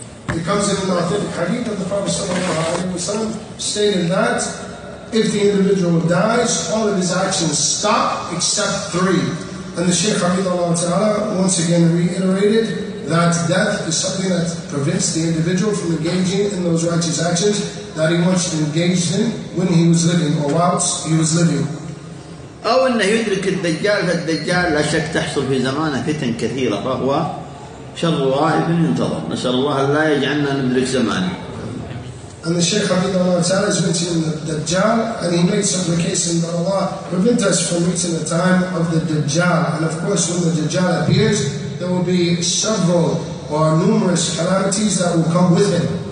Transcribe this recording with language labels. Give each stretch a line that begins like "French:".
English: it comes in الموت. Hadith of the Prophet sallallahu alaihi wasallam stated that if the individual dies, all of his actions stop except three. And the Shaykh Hafidhullah Ta'ala once again reiterated that death is something that prevents the individual from engaging in those righteous actions that he once engaged in when he was living or whilst he was living.
Arabic: أو أنه يدرك الدجال فالدجال لا شك تحصل في زمانه فتن كثيرة فهو شر غائب ينتظر. نسأل الله أن لا يجعلنا نملك زمانه.
English: And the Shaykh Hafidhullah Ta'ala is mentioning the Dajjal, and he makes supplication that Allah prevent us from reaching the time of the Dajjal. And of course, when the Dajjal appears, there will be several or numerous calamities that will come with him.